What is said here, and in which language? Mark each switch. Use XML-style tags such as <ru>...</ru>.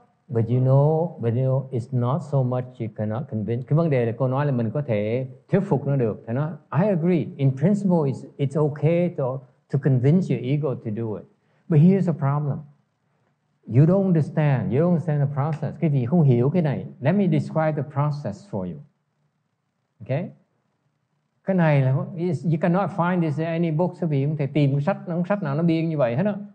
<en>But you know, it's not so much you cannot convince.</en> <vi>Cái vấn đề là cô nói là mình có thể thuyết phục nó được. Thầy nói,</vi> <en>I agree. In principle, it's okay to convince your ego to do it. But here's the problem. You don't understand the process.</en> <vi>Cái gì không hiểu cái này.</vi> <en>Let me describe the process for you. Okay?</en> <vi>Cái này là,</vi> <en>you cannot find this in any books.</en> <vi>Vì không thể tìm sách nào nó biên như vậy hết đó.</vi>